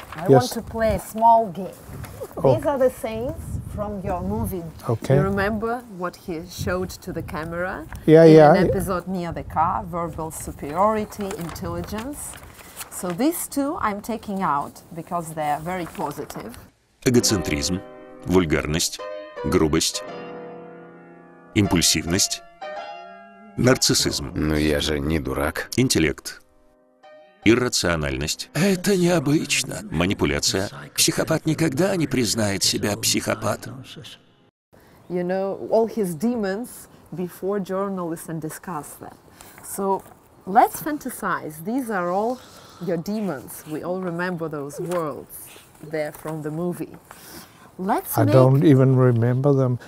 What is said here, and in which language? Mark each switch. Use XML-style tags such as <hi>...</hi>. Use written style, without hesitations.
<en>I want to play a small game. These are the scenes from your movie. Okay. You remember what he showed to the camera? Yeah. An episode near the car, verbal superiority, intelligence. So these two I'm taking out because they are very positive.</en> <ru>Эгоцентризм, вульгарность, грубость, импульсивность, нарциссизм. Но я же не дурак. Интеллект, иррациональность. Это необычно. Манипуляция. Психопат никогда не признает себя психопатом.</ru> <en>You know, all his demons before journalists and discuss them. So let's fantasize. These are all your demons. We all remember those worlds there from the movie. Don't even remember them.</en>